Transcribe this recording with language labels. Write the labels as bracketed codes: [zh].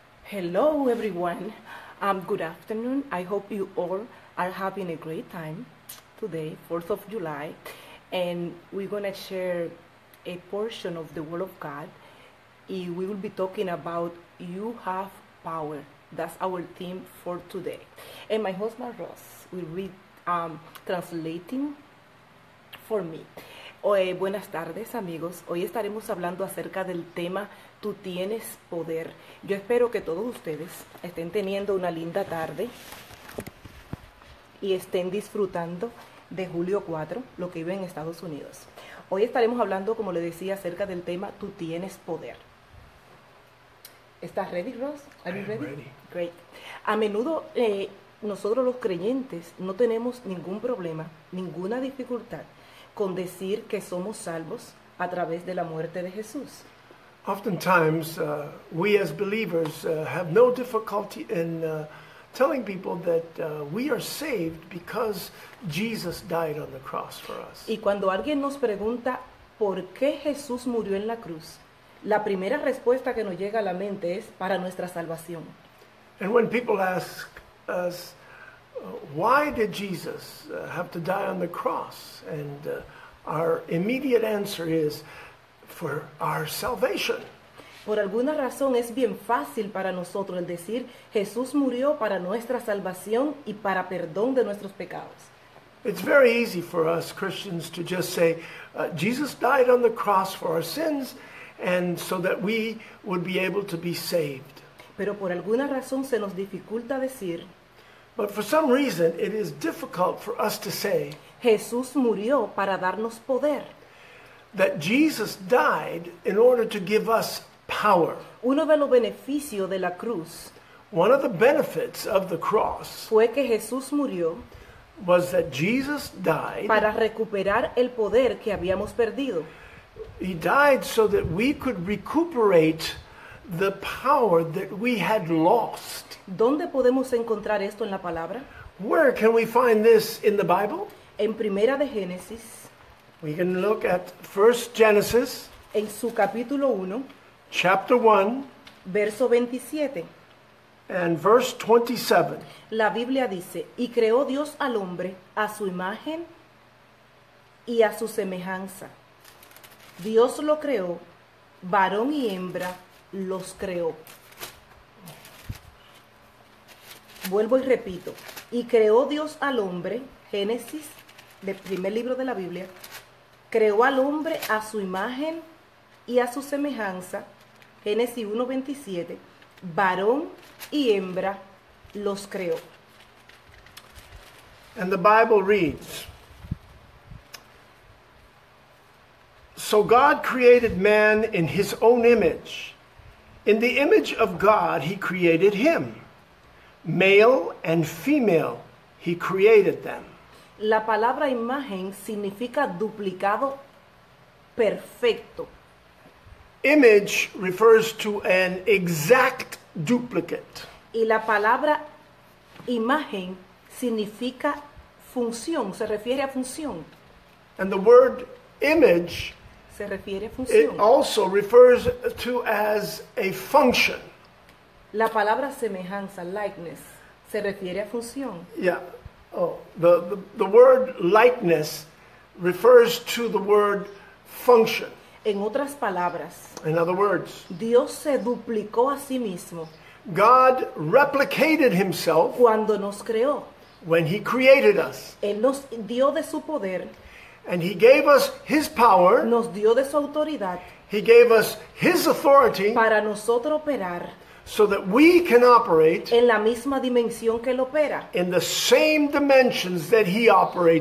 [en] Hello everyone, good afternoon. I hope you all are having a great time today, 4th of July, and we're going to share a portion of the Word of God. We will be talking about You Have Power. That's our theme for today. And my husband Ross will be translating for me. [es] Buenas tardes amigos, hoy estaremos hablando acerca del tema Tú tienes poder. Yo espero que todos ustedes estén teniendo una linda tarde y estén disfrutando de julio 4, lo que vive en Estados Unidos. Hoy estaremos hablando, como le decía, acerca del tema Tú tienes poder. ¿Estás ready, Ross? [en] Are you ready? Great. [es] A menudo nosotros los creyentes no tenemos ningún problema, ninguna dificultad con decir que somos salvos a través de la muerte de Jesús. [en] Oftentimes, we as believers have no difficulty in telling people that we are saved because Jesus died on the cross for us. [es] Y cuando alguien nos pregunta por qué Jesús murió en la cruz, la primera respuesta que nos llega a la mente es para nuestra salvación. [en] And when people ask us, why did Jesus have to die on the cross? And our immediate answer is for our salvation. [es] Por alguna razón es bien fácil para nosotros el decir Jesús murió para nuestra salvación y para perdón de nuestros pecados. [en] It's very easy for us Christians to just say Jesus died on the cross for our sins and so that we would be able to be saved. [es] Pero por alguna razón se nos dificulta decir. [en] But for some reason, it is difficult for us to say [es] Jesús murió para darnos poder. [en] That Jesus died in order to give us power. [es] Uno de los beneficios de la cruz, [en] one of the benefits of the cross, [es] fue que Jesús murió, [en] was that Jesus died [es] para recuperar el poder que habíamos perdido. [en] He died so that we could recuperate the power that we had lost. [es] ¿Dónde podemos encontrar esto en la palabra? [en] Where can we find this in the Bible? [es] En Primera de Génesis. [en] We can look at First Genesis. [es] En su capítulo 1. [en] Chapter 1. [es] Verso 27. [en] And verse 27. [es] La Biblia dice, y creó Dios al hombre a su imagen y a su semejanza. Dios lo creó, varón y hembra los creó. Vuelvo y repito, y creó Dios al hombre, Génesis, del primer libro de la Biblia, creó al hombre a su imagen y a su semejanza, Génesis 1:27, varón y hembra los creó. [en] And the Bible reads, so God created man in his own image. In the image of God, he created him. Male and female, he created them. [es] La palabra imagen significa duplicado perfecto. [en] Image refers to an exact duplicate. [es] Y la palabra imagen significa función, se refiere a función. [en] And the word image, [es] se refiere a función. [en] It also refers to as a function. [es] La palabra semejanza, likeness, se refiere a función. [en] Yeah. Oh, the word likeness refers to the word function. [es] En otras palabras, [en] in other words, [es] Dios se duplicó a sí mismo. [en] God replicated himself [es] cuando nos creó. [en] When he created us. [es] Él nos dio de su poder. [en] And he gave us his power. [es] Nos dio de su autoridad. [en] He gave us his authority [es] para nosotros operar. [en] So that we can operate [es] en la misma dimensión que él opera. [en] In the same dimensions that he operates